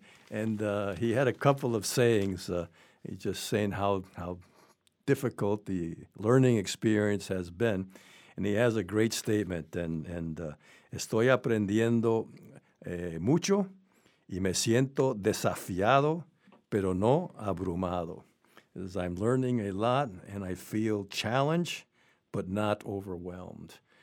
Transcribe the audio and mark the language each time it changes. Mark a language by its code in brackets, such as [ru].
[en] and he had a couple of sayings. He's just saying how difficult the learning experience has been. And he has a great statement, and [es] estoy aprendiendo mucho, y me siento desafiado, pero no abrumado. [en] As I'm learning a lot, and I feel challenged, but not overwhelmed.